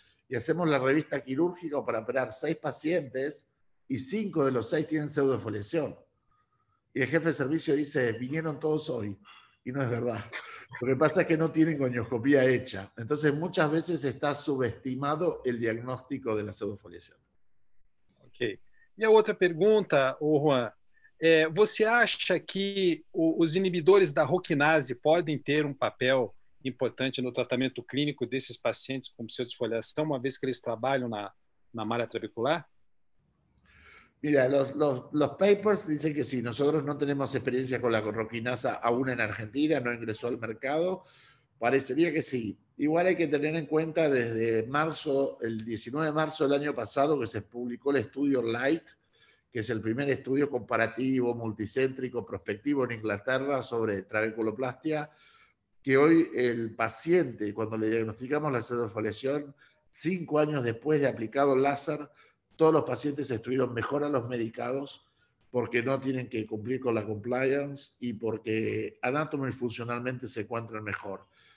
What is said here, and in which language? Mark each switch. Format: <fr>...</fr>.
<es>Y hacemos la revista quirúrgica para operar 6 pacientes y 5 de los 6 tienen pseudoesfoliación. Y el jefe de servicio dice, vinieron todos hoy. Y no es verdad. Lo que pasa es que no tienen gonioscopía hecha. Entonces, muchas veces está subestimado el diagnóstico de la pseudoesfoliación. Ok. Y a otra pregunta, Juan.</es> <pt>¿Você acha que os inibidores da ROCKinase podem ter um papel importante no tratamento clínico desses pacientes com pseudoesfoliação, uma vez que eles trabalham na malha trabecular?</pt> <es>Mira, los papers dicen que sí, nosotros no tenemos experiencia con la ROCKinasa aún en Argentina, no ingresó al mercado, parecería que sí. Igual hay que tener en cuenta desde marzo, el 19 de marzo del año pasado, que se publicó el estudio LIGHT, que es el primer estudio comparativo, multicéntrico, prospectivo en Inglaterra sobre trabeculoplastia, que hoy el paciente, cuando le diagnosticamos la pseudoesfoliación, 5 años después de aplicado láser, todos los pacientes estuvieron mejor a los medicados porque no tienen que cumplir con la compliance y porque anatomo y funcionalmente se encuentran mejor.</es>